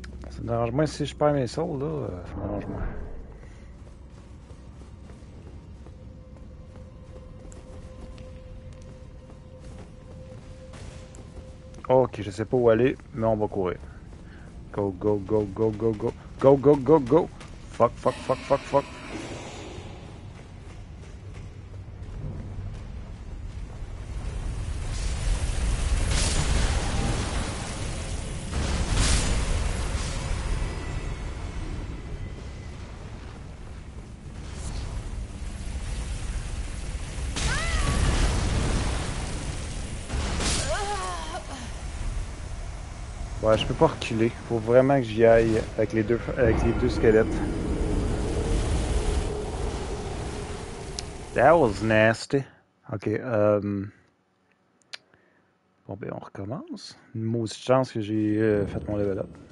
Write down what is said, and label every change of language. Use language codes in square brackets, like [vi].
[fr] Ça me dérange moins si je perds mes sols, là, ça me dérange moins. Ok, je sais pas où aller, mais on va courir. Go, go, go, go, go, go, go, go, go, go, go. Fuck, fuck, fuck, fuck, fuck. Ouais, je peux pas reculer. Faut vraiment que j'y aille avec les deux squelettes. [en] That was nasty. [fr] Ok, bon ben on recommence. Une mauvaise chance que j'ai fait mon level up.